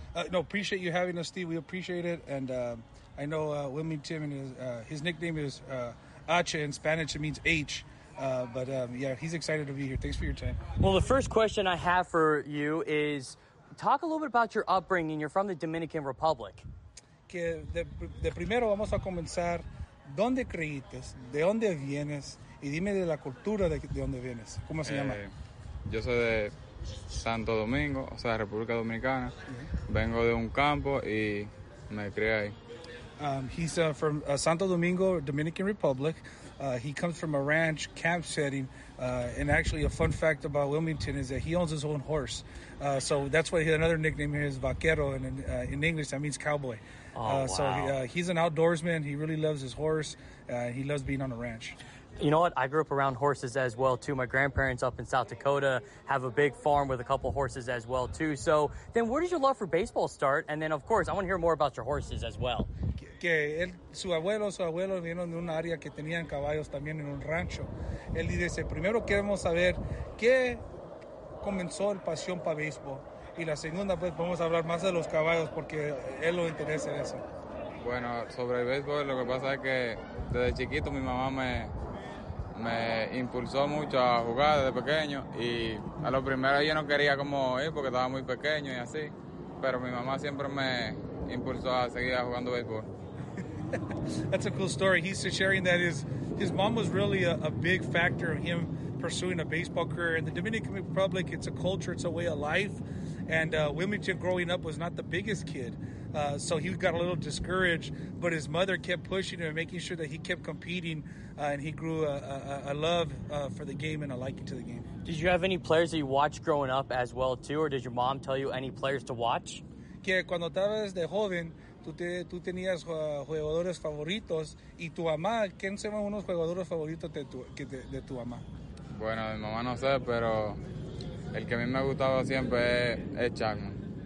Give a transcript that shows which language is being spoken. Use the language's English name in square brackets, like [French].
[English] No, appreciate you having us, Steve. We appreciate it. And I know Wilmington, his nickname is Acha in Spanish. It means H. But he's excited to be here. Thanks for your time. Well, the first question I have for you is talk a little bit about your upbringing. You're from the Dominican Republic. [Spanish] Que de primero vamos a comenzar, ¿dónde creíste? ¿De dónde vienes? Y dime de la cultura de dónde vienes. ¿Cómo se llama? Yo soy de Santo Domingo, o sea, República Dominicana. Mm-hmm. Vengo de un campo y me crié ahí. [English] He's from Santo Domingo, Dominican Republic. He comes from a ranch camp setting. And actually, a fun fact about Wilmington is that he owns his own horse. So that's why another nickname here is Vaquero. And in English, that means cowboy. Oh, wow. So he's an outdoorsman. He really loves his horse. He loves being on a ranch. You know what? I grew up around horses as well, too. My grandparents up in South Dakota have a big farm with a couple horses as well, too. So then where does your love for baseball start? And then, of course, I want to hear more about your horses as well. [Spanish] Que él, su abuelo vino de un área que tenían caballos también en un rancho. Él dice, primero queremos saber qué comenzó el pasión para béisbol. Y la segunda, pues, vamos a hablar más de los caballos porque él lo interesa en eso. Bueno, sobre el béisbol, lo que pasa es que desde chiquito mi mamá me impulsó mucho a jugar desde pequeño. Y a lo primero yo no quería como ir porque estaba muy pequeño y así. Pero mi mamá siempre me impulsó a seguir jugando béisbol. [English] That's a cool story. He's sharing that his mom was really a big factor of him pursuing a baseball career. In the Dominican Republic, it's a culture, it's a way of life. And Wilmington growing up was not the biggest kid. So he got a little discouraged, but his mother kept pushing him and making sure that he kept competing. And he grew a love for the game and a liking to the game. Did you have any players that you watched growing up as well too? Or did your mom tell you any players to watch? [Spanish] Que cuando estabas de joven, tú tenías jugadores favoritos. Y tu mamá, ¿quién se llama unos jugadores favoritos de tu mamá? Bueno, mi mamá no sé, pero el que a mí me gustaba siempre es Chapman.